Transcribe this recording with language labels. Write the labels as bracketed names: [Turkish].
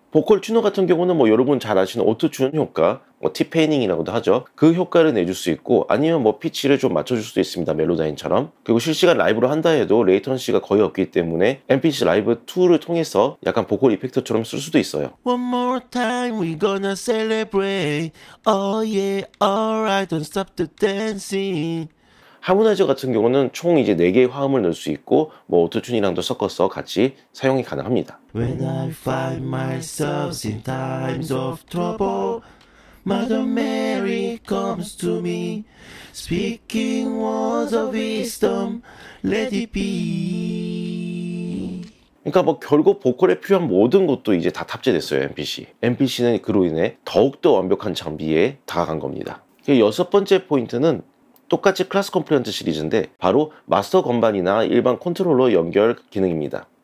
[Korean] 보컬 튜너 같은 경우는 뭐 여러분 잘 아시는 오토튠 효과, 뭐 티페이닝이라고도 하죠. 그 효과를 내줄 수 있고 아니면 뭐 피치를 좀 맞춰줄 수도 있습니다. 멜로다인처럼. 그리고 실시간 라이브로 한다 해도 레이턴시가 거의 없기 때문에 MPC 라이브 2를 통해서 약간 보컬 이펙터처럼 쓸 수도 있어요. [English] One more time we gonna celebrate. Oh yeah, alright, don't stop the dancing. [Korean] 하모나이저 같은 경우는 총 이제 4개의 화음을 넣을 수 있고 뭐 오토튠이랑도 섞어서 같이 사용이 가능합니다. [English] When I find myself in times of trouble, Mother Mary comes to me, speaking words of wisdom, let it be. [Korean] 그러니까 뭐 결국 보컬에 필요한 모든 것도 이제 다 탑재됐어요, MPC. MPC는 그로 인해 더욱더 완벽한 장비에 다가간 겁니다. 여섯 번째 포인트는 똑같이 클래스 컴플리언트 시리즈인데 바로 마스터 건반이나 일반 컨트롤러 연결 기능입니다.